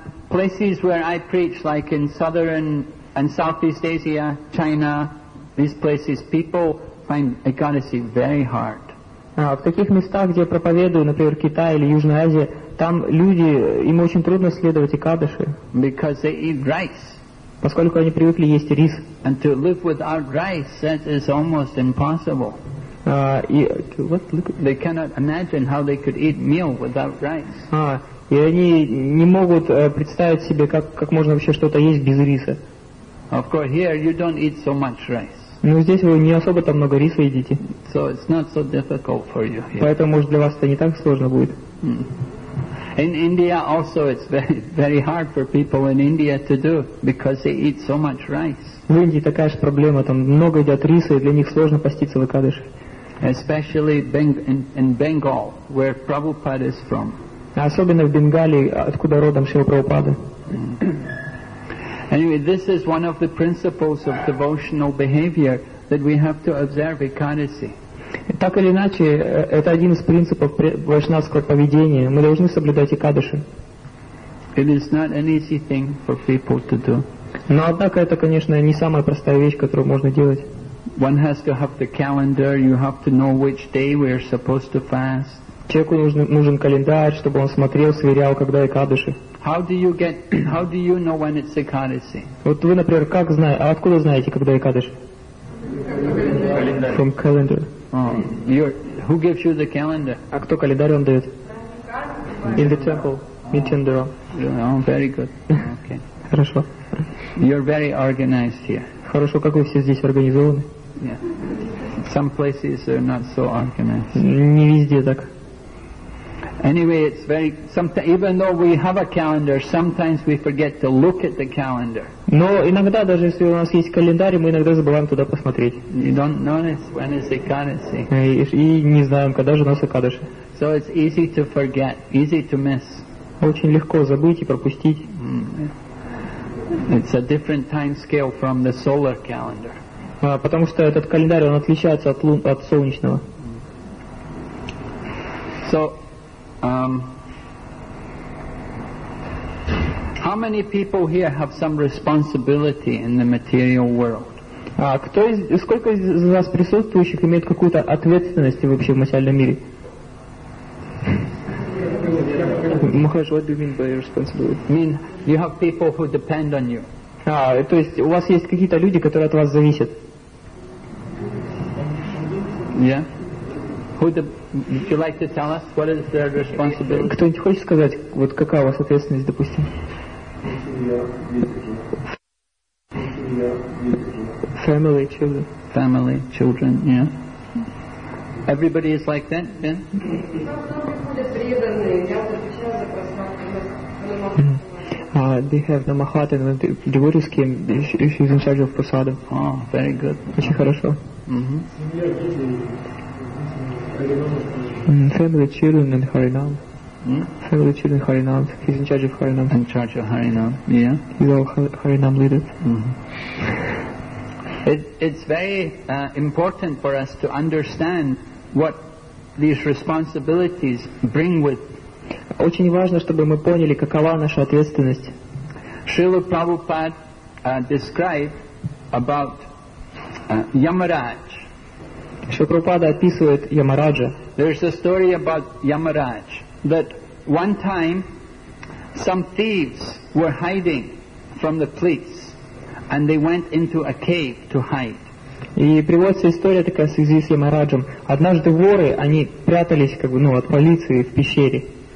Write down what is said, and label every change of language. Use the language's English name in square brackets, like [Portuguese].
[English] Places where I preach, like in southern and southeast Asia, China, these places, people find Ekadasi very hard. [Russian] В таких местах, где я проповедую, например, Китай или Южная Азия, там люди, им очень трудно следовать Экадаши. [English] Because they eat rice. [Russian] Поскольку они привыкли есть рис. [English] And to live without rice, that is almost impossible. They cannot imagine how they could eat meal without rice. [Russian] И они не могут представить себе, как можно вообще что-то есть без риса. [English] Of course, here you don't eat so much rice. [Russian] Ну, здесь вы не особо-то много риса едите. [English] So it's not so difficult for you here. [Russian] Поэтому, может, для вас это не так сложно будет. [English] In India also it's very, very hard for people in India to do, because they eat so much rice. [Russian] В Индии такая же проблема, там много едят риса, и для них сложно поститься в Экадыши. [English] Especially in Bengal, where Prabhupada is from. [Russian] Особенно в Бенгалии, откуда родом Шрила Прабхупада. [English] Anyway, this is one of the principles of devotional behavior that we have to observe Ekadasi. [Russian] Так или иначе, это один из принципов вайшнавского поведения. Мы должны соблюдать Экадаши. [English] It is not an easy thing for people to do. [Russian] Но однако это, конечно, не самая простая вещь, которую можно делать. [English] One has to have the calendar. You have to know which day we are supposed to fast. [Russian] Человеку нужен календарь, чтобы он смотрел, сверял, когда Экадаши. [English] How do you know when it's Ekadasi? [Russian] Вот вы, например, как знаете, а откуда знаете, когда Экадаши? [English] From calendar. Oh, who gives you the calendar? [Russian] А кто календарь вам дает? [English] In the temple. Mitchandra. Very good. Okay. [Russian] Хорошо. [English] You're very organized here. [Russian] Хорошо, как вы все здесь организованы? [English] Yeah. Some places are not so organized. [Russian] Не везде так. [English] Anyway, it's very. Even though we have a calendar, sometimes we forget to look at the calendar. [Russian] Но иногда даже если у нас есть календарь, мы иногда забываем туда посмотреть. [English] You don't notice when it's Ekadasi. [Russian] И не знаем, когда же у нас Экадаши. [English] So it's easy to forget, easy to miss. [Russian] Очень легко забыть и пропустить. [English] It's a different time scale from the solar calendar. [Russian] Потому что этот календарь он отличается от солнечного. [English] So. How many people here have some responsibility in the material world? [Russian] Сколько из вас присутствующих имеет какую-то ответственность вообще в материальном мире? [English] Mahesh, what do you mean by responsibility? Mean you have people who depend on you. [Russian] То есть у вас есть какие-то люди, которые от вас зависят? [English] Yeah. Would you like to tell us what is their responsibility? [Russian] Кто-нибудь хочет сказать, вот какая у вас ответственность, допустим? [English] Family, children. Family, children, yeah. Everybody is like that, yeah? They have the Mahatma, and the devotees came, she's in charge of prasada. Oh, very good. [Russian] Очень хорошо. [English] Family, children, and Harinam. So the chief of Harinam, he's in charge of Harinam. In charge of Harinam, yeah. He's all Harinam leaders. Mm-hmm. It's very important for us to understand what these responsibilities bring with. [Russian] Очень важно, чтобы мы поняли, какова наша ответственность. [English] Шрила Прабхупад described about Yamaraj. [Russian] Шрила Прабхупада описывает Ямараджа. [English] There's a story about Yamaraj that one time some thieves were hiding from the police and they went into a cave to hide. [Russian] И приводится история такая в связи с Ямараджем. Однажды воры, они прятались как бы, ну, от полиции в пещере.